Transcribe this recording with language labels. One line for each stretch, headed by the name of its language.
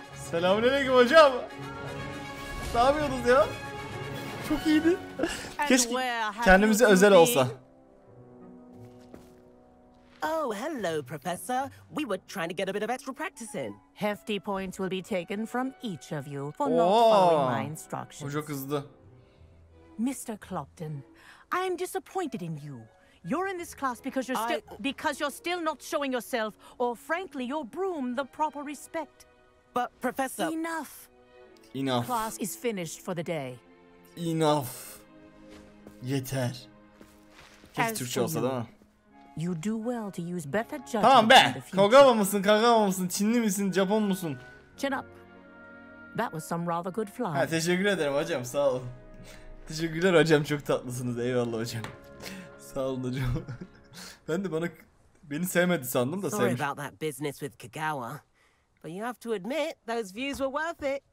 Turkish: Selamünaleyküm hocam. Ne yapıyordunuz ya? Çok iyiydi. Keşke kendimize özel olsa.
English: Oh, hello, Professor. We were trying to get a bit of extra practice in. Hefty points will be taken from each of you for not following my instructions.
Turkish: Çok hızlı.
English: Mr. Clopton, I'm disappointed in you. You're in this class because you're still not showing yourself, or frankly, your broom the proper respect. But Professor, enough. Enough. Class is finished for the day. Enough.
Turkish: Yeter. Keşke Türkçe olsa da.
English: You do well to use better judgment.
Turkish: Tamam be. Kagawa mısın? Kagawa mısın? Çinli misin? Japon musun?
English: Chin up. That was some rather good fly.
Turkish: Ha, teşekkür ederim hocam. Sağ olun. Teşekkürler hocam. Çok tatlısınız. Eyvallah hocam. Sağ olun hocam. Ben de bana beni sevmedi sandım da sevmiş.
English: Sorry about that business with Kagawa. But you have to admit those views were worth it.